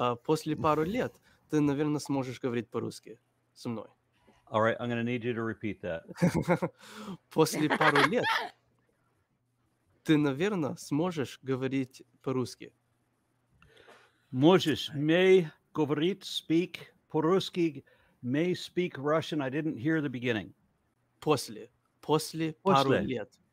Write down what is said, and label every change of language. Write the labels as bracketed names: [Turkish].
[Russian] После пару лет ты, наверное, сможешь говорить по-русски со мной. [English] All right, I'm going to need you to repeat that. [Russian] После пару лет ты, наверное, сможешь говорить по-русски. Можешь, [English] may [Russian] говорить, [English] speak [Russian] по-русски, [English] may speak Russian. I didn't hear the beginning. [Russian] После пару лет.